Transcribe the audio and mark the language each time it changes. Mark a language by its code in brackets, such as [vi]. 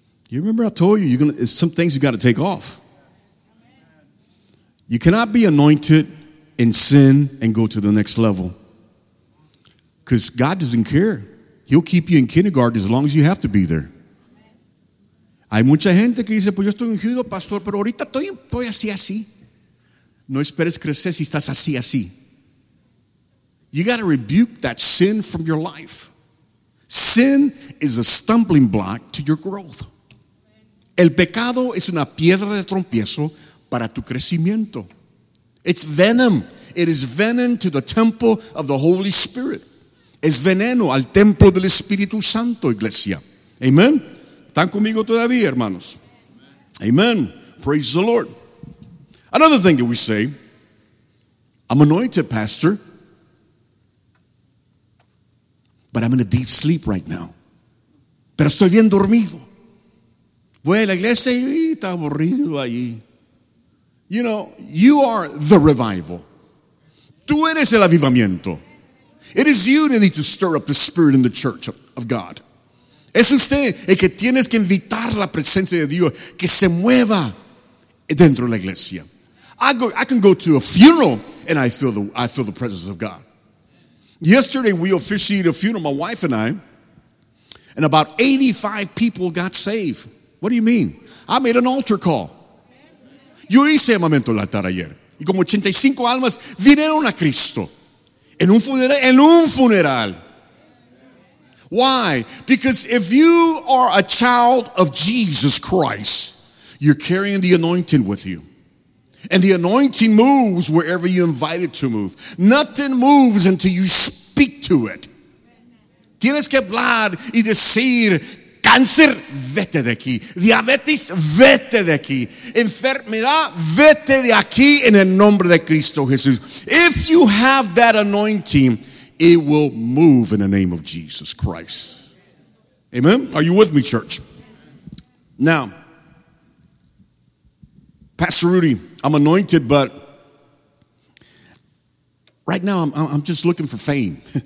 [en] You remember I told you, some things you got to take off. You cannot be anointed in sin and go to the next level. Because God doesn't care. He'll keep you in kindergarten as long as you have to be there. [es] Hay mucha gente que dice, pues yo estoy ungido, pastor, pero ahorita estoy así, así. No esperes crecer si estás así, así. [en] You got to rebuke that sin from your life. Sin is a stumbling block to your growth. [es] El pecado es una piedra de trompiezo para tu crecimiento. [en] It's venom. It is venom to the temple of the Holy Spirit. [es] Es veneno al templo del Espíritu Santo, iglesia. Amen. ¿Están conmigo todavía, hermanos? Amen. [en] Praise the Lord. Another thing that we say, I'm anointed, pastor, but I'm in a deep sleep right now. [es] Pero estoy bien dormido. Voy a la iglesia y está aburrido allí. [en] You know, you are the revival. [es] Tú eres el avivamiento. [en] It is you that need to stir up the spirit in the church of God. [es] Es usted el que tienes que invitar la presencia de Dios que se mueva dentro de la iglesia. [en] I can go to a funeral and I feel the presence of God. Yesterday we officiated a funeral, my wife and I, and about 85 people got saved. What do you mean? I made an altar call. [es] Yo hice el momento del altar ayer. Y como 85 almas vinieron a Cristo. En un funeral. [en] Why? Because if you are a child of Jesus Christ, you're carrying the anointing with you. And the anointing moves wherever you invite it to move. Nothing moves until you speak to it. [es] Tienes que hablar y decir, cáncer, vete de aquí. Diabetes, vete de aquí. Enfermedad, vete de aquí en el nombre de Cristo Jesús. [en] If you have that anointing, it will move in the name of Jesus Christ. Amen? Are you with me, church? Now, Pastor Rudy, I'm anointed, but right now I'm just looking for fame.